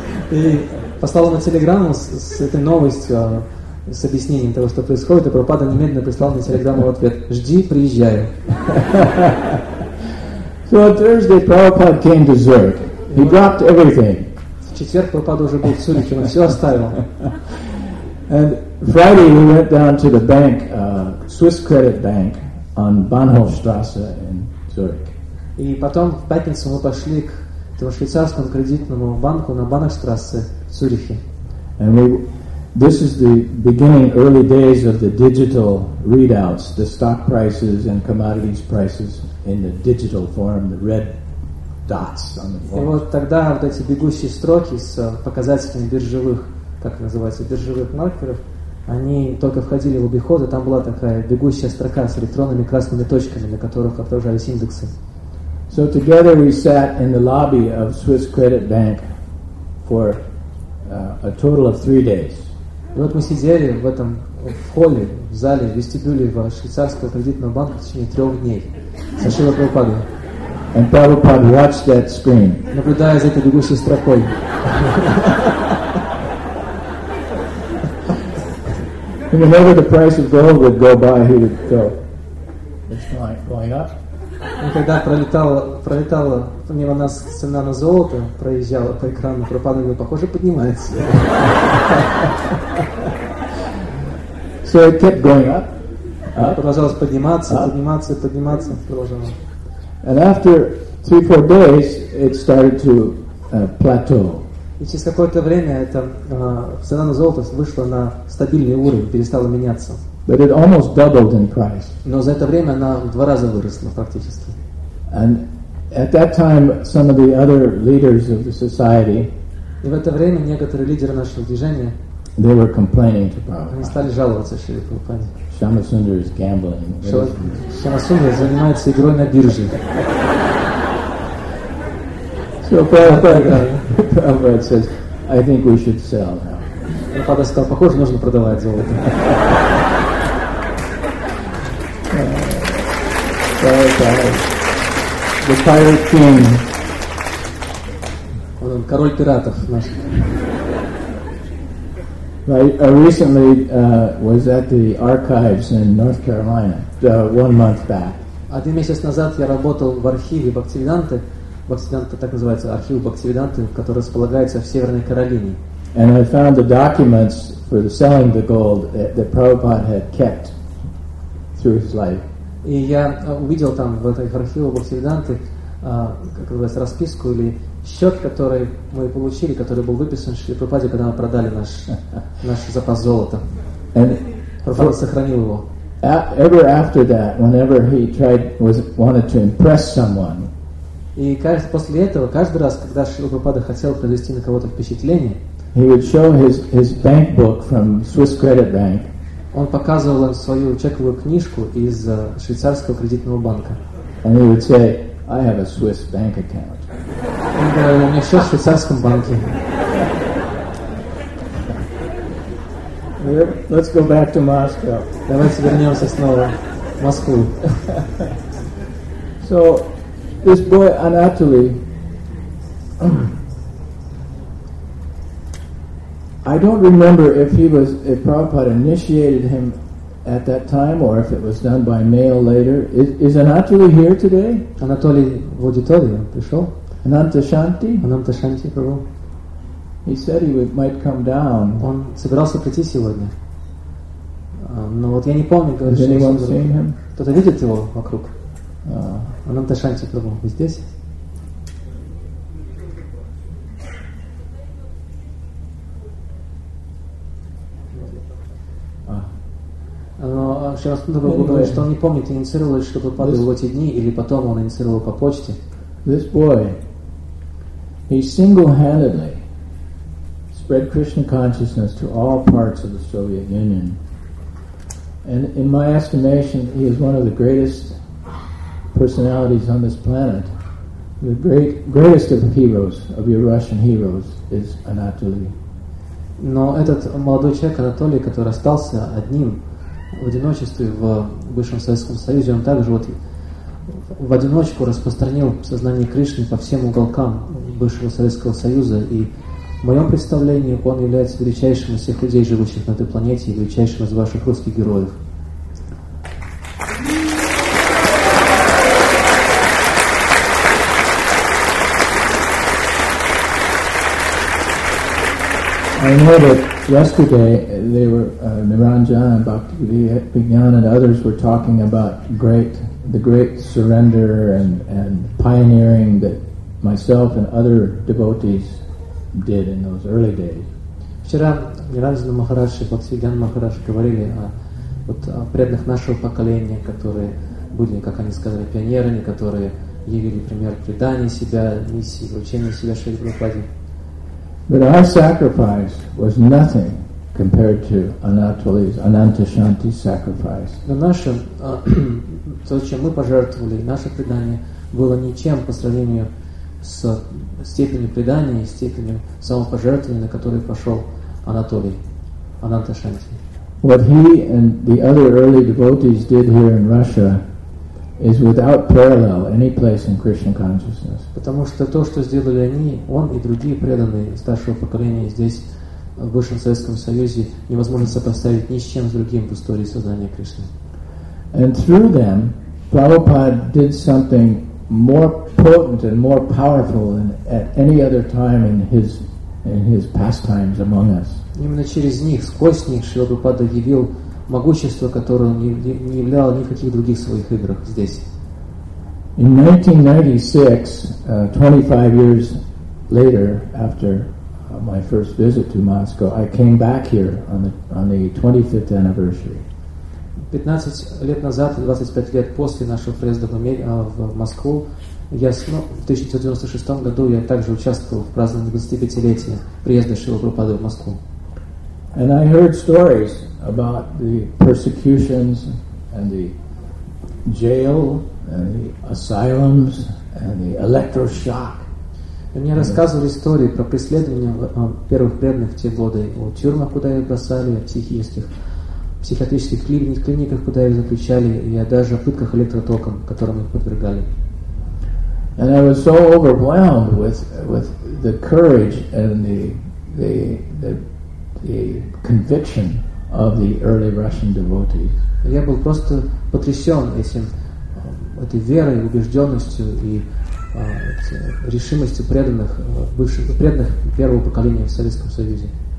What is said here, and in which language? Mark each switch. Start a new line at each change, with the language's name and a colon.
Russian: И послал ему телеграмму с этой новостью, с объяснением того, что происходит, и Прабхупада немедленно прислал мне телеграмму в ответ: "Жди, приезжаю."
English: So on Thursday, Prabhupada came to Zurich. He dropped everything.
Russian: В четверг Прабхупада уже был в Цюрихе, он все оставил.
English: And Friday we went down to the bank, Swiss Credit Bank, on Bahnhofstrasse in Zurich.
Russian: И потом в пятницу мы пошли к этому швейцарскому кредитному банку на Бахнхофстрассе в Цюрихе.
English: And this is the beginning, early days of the digital readouts, the stock prices and commodities prices in the digital form, the red dots on the board.
Russian: И вот тогда вот эти бегущие строки с показателями биржевых, как называется, биржевых маркеров, они только входили в обиход, и там была такая бегущая строка с электронными красными точками, на которых отражались индексы.
English: So together we sat in the lobby of Swiss Credit Bank for a total of 3 days.
Russian: И вот мы сидели в этом в холле, в зале, в вестибюле в швейцарского кредитного банка в течение 3 дней со Шрилой Прабхупадой.
English: And Prabhupada watched that screen.
Russian: Наблюдая за этой бегущей строкой.
English: And whenever the price of gold would go by, he would go, "It's going up."
Russian: И когда пролетала мимо нас цена на золото, проезжала по экрану, Прабхупада говорит, похоже, поднимается.
English: So it kept going up.
Russian: Продолжалось подниматься, подниматься, подниматься, продолжало.
English: And after 3-4 days, it started to plateau.
Russian: И через какое-то время эта цена на золото вышла на стабильный уровень, перестала меняться.
English: But it almost doubled in price.
Russian: Но за это время она в 2 раза выросла практически.
English: And at that time, some of the other leaders of the society.
Russian: И в это время некоторые лидеры нашего движения.
English: They were complaining to Prabhupada.
Russian: Они стали жаловаться Шриле Прабхупаде.
English: Шамасундар is gambling.
Russian: Шамасундар занимается игрой на бирже.
English: So Prabhupada says, "I think we should sell now."
Russian: Прабхупада сказал, похоже, нужно продавать золото.
English: The pirate king.
Russian: Вот он, король пиратов наш.
English: I recently was at the archives in North Carolina 1 month back.
Russian: 1 месяц назад я работал в архиве Бхактивиданты. Бхактивиданты, так называется, архив Бхактивиданты, который располагается в Северной Каролине.
English: And I found the documents for the selling the gold that Prabhupada had kept through his life.
Russian: И я увидел там в этой архиве Бхактивиданты, как называется, расписку или счет, который мы получили, который был выписан Шри Прабхупаде, когда мы продали наш запас золота. Прабхупада сохранил его.
English: Ever after that, whenever he tried was wanted to impress someone.
Russian: И после этого каждый раз, когда Шри Прабхупада хотел произвести на кого-то впечатление,
English: he would show his bank book from Swiss Credit Bank.
Russian: Он показывал им свою чековую книжку из швейцарского кредитного банка.
English: And he would say, "I have a Swiss bank account."
Russian: Он говорил, у меня счет в швейцарском банке.
English: Let's go back to Moscow.
Russian: Давайте вернемся снова в Москву.
English: So, this boy Anatoly, I don't remember if Prabhupada initiated him at that time or if it was done by mail later. Is Anatoly here today?
Russian: Anatoly в аудиторию пришел.
English: Ananta Shanti? Ananta Shanti, Prabhu. He said he might come down.
Russian: Он собирался прийти сегодня. Но вот я не помню, говорит, что
English: anyone seen him?
Russian: Кто-то видит его вокруг? Ананта Шанти, Прабху, вы здесь? Но Шарастунда Прабху говорит, что он не помнит, инициировал ли Шрапападу в эти дни, или потом он инициировал по почте.
English: This boy, he single-handedly spread Krishna consciousness to all parts of the Soviet Union. And in my estimation, he is one of the greatest personalities on this planet. The greatest of heroes, of your Russian heroes, is Anatoly.
Russian: Но этот молодой человек, Анатолий, который остался одним в одиночестве в бывшем Советском Союзе, он также вот в одиночку распространил сознание Кришны по всем уголкам бывшего Советского Союза. И в моем представлении он является величайшим из всех людей, живущих на этой планете, и величайшим из ваших русских героев.
English: I know that yesterday they were Niranjan, Bhakti Vignan, and others were talking about the great surrender and pioneering that myself and other devotees did in those early days.
Russian: Вчера Ниранджан Махарадж и Бхакти Виньян Махарадж говорили о преданных нашего поколения, которые были, как они сказали, пионерами, которые явили пример предания себя, миссии, вручения себя Шри Прабхупаде.
English: But our sacrifice was nothing compared to Anatoly's, Ananta Shanti's sacrifice.
Russian: Но наше, то, чем мы пожертвовали, наше предание было ничем по сравнению с степенью предания и степенью самопожертвования, на которые пошел Анатолий, Ананта Шанти.
English: What he and the other early devotees did here in Russia is without parallel any place in Krishna consciousness.
Russian: Потому что то, что сделали они, он и другие преданные старшего поколения здесь, в бывшем Советском Союзе, невозможно сопоставить ни с чем с другим в истории сознания Кришны.
English: And through them, Prabhupada did something more potent and more powerful than at any other time in his pastimes among us.
Russian: Именно через них, сквозь них, Шрила Прабхупада явил могущество, которое не являло никаких других своих играх здесь.
English: In 1996, 25 years later, after my first visit to Moscow, I came back here on the 25th anniversary.
Russian: 15 лет назад, 25 лет после нашего приезда в Москву, в 1996 году я также участвовал в праздновании 25-летия приезда Шрилы Прабхупады в Москву.
English: And I heard stories about the persecutions and the jail and the asylums and the electroshock.
Russian: Мне рассказывали истории про преследования первых преданных в те годы, о тюрьмах, куда их бросали, о психиатрических клиниках, куда их заключали, и даже о пытках электротоком, которым их подвергали.
English: And I was so overwhelmed with the courage and the conviction of the early Russian devotees.
Russian: Я был просто потрясен этим, этой верой, убежденностью и решимостью преданных, бывших преданных первого поколения в Советском Союзе.